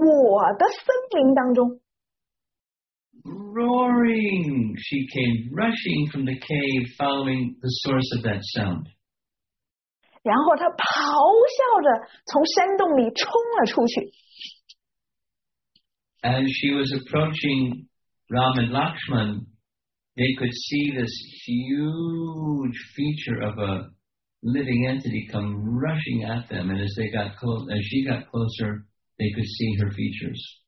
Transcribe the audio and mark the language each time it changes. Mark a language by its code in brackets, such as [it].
[zh] 谁来到了我的森林当中? [en] Roaring, she came rushing from the cave following the source of that sound. [zh] 然后她咆哮着从山洞里冲了出去。 [en] As she was approaching Ram and Lakshman, they could see this huge feature of a living entity come rushing at them, and as they got close, as she got closer, they could see her features.